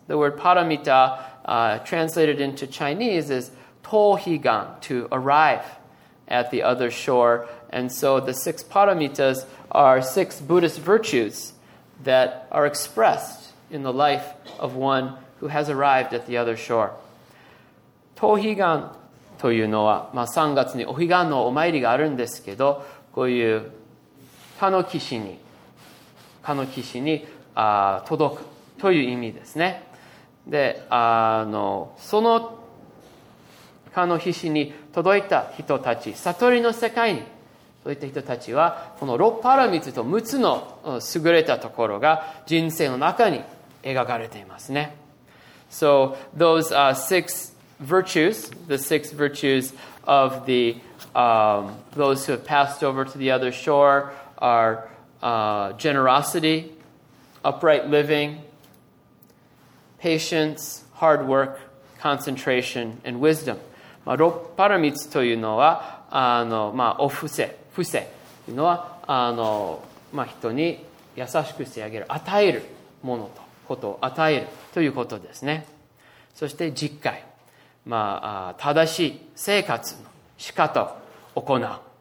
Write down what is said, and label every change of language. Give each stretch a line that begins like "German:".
English: The word paramita translated into Chinese is Tohigan, to arrive at the other shore. And so the six paramitas are six Buddhist virtues that are expressed in the life of one who has arrived at the other shore.
Japanese: Tohigan というのは、3月にお彼岸のお参りがあるんですけど、こういう他の岸に届くという意味ですね。で、その他の岸に届いた人たち、悟りの世界に届いた人たちは、この六パラミツと六つの優れたところが人生の中に描かれていますね。
English: So, those six virtues, the six virtues of the, those who have passed over to the other shore are generosity, upright living, patience, hard work, concentration, and wisdom.
Japanese: 六パラミツというのは、お布施。布施というのは、人に優しくしてあげる。与えるものと、ことを与えるということですね。そして、実戒。正しい生活の仕方を行う。